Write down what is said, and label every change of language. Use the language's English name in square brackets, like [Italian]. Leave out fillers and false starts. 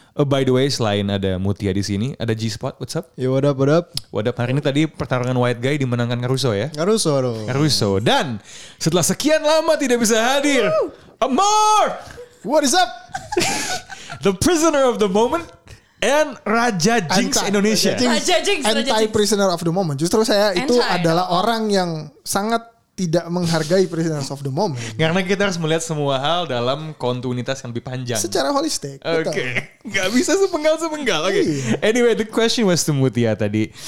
[English] by the way, [Indonesian] selain ada Mutia di sini, ada G-Spot, [English] what's up? Yo, what up? What up, [Indonesian] hari ini tadi pertarungan white guy dimenangkan Caruso ya? Caruso. Dan setelah sekian lama tidak bisa hadir, Amar! [English] What is up? The prisoner of the moment and Raja Jinx Indonesia. Anti-prisoner of the moment. [Indonesian] Justru saya itu adalah orang yang sangat tidak menghargai [English] prisoners of the moment. [Indonesian] Karena kita harus melihat semua hal dalam kontinuitas yang lebih panjang. Secara holistik. [English] Oke. Okay. [Indonesian] Gak bisa sepenggal-sepenggal. [English] Okay. Anyway, the question was to Mutia [Indonesian] tadi.